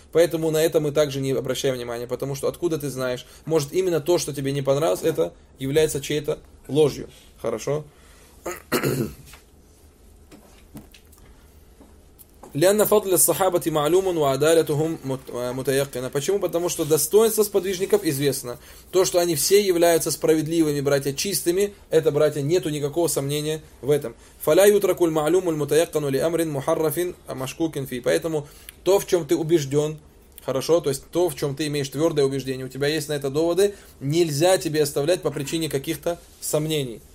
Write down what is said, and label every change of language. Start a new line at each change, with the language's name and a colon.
Russian: Поэтому на это мы также не обращаем внимания. Потому что откуда ты знаешь? Может, именно то, что тебе не понравилось, это является чьей-то ложью. Хорошо?
Arabic: لأن فضل الصحابة معلوم وعدالتهم متيقنة.
Russian: Почему? Потому что достоинство сподвижников известно. То, что они все являются справедливыми, братья, чистыми, это, братья, нету никакого сомнения в этом.
Arabic: فَلَا يُتْرَكُ الْمَعْلُومُ الْمُتَيَقَّنُ لِأَمْرٍ مُحَرَّفٍ مَشْكُوكٍ فِي.
Russian: Поэтому то, в чем ты убежден, хорошо, то есть то, в чем ты имеешь твердое убеждение, у тебя есть на это доводы, нельзя тебе оставлять по причине каких-то сомнений.